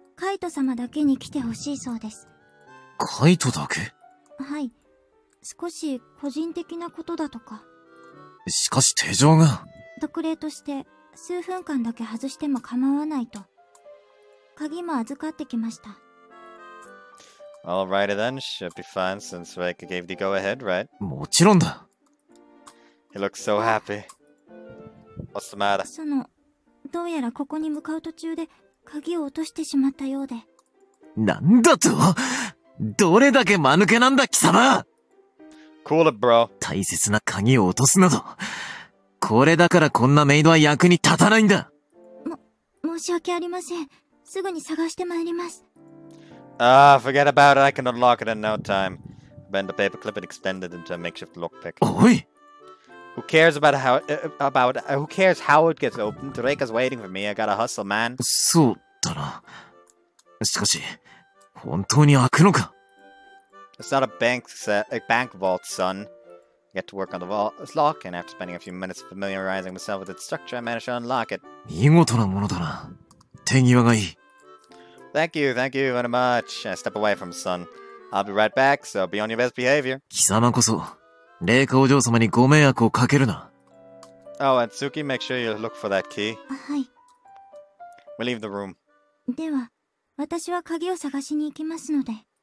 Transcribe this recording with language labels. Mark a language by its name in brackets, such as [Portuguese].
[Japanese] カイト様だけに来てほしいそうです. カイトだけ? はい. 少し個人的なことだとか. しかし手錠が… 特例として数分間だけ外しても構わないと. 鍵も預かってきました. [English] Alrighty then. Should be fine since Reika gave the go-ahead, right? [Japanese] もちろんだ. [English] He looks so happy. What's the matter? [Japanese] その, どうやらここに向かう途中で鍵を落としてしまったようで. なんだと? どれだけ間抜けなんだ貴様! [English] Cool it, bro. [Japanese] 大切な鍵を落とすなど.これだからこんなメイドは役に立たないんだ. も、申し訳ありません. すぐに探してまいります. [English] Forget about it. I can unlock it in no time. Bend the paperclip and extend it into a makeshift lockpick. [Japanese] おい! [English] Who cares how it gets opened? Reika's waiting for me. I gotta hustle, man. [Japanese] そうだな. しかし、本当に開くのか? [English] It's not a bank vault, son. I get to work on the vault's lock, and after spending a few minutes familiarizing myself with its structure, I managed to unlock it. [Japanese] 見事なものだな.手際がいい. [English] Thank you very much. I step away from son. I'll be right back, so be on your best behavior. [Japanese] 貴様こそ。レイカお嬢様にご迷惑をかけるな. [English] Oh, and Tsuki, make sure you look for that key. [Japanese] はい. [English] We leave the room. [Japanese] では、私は鍵を探しに行きますので.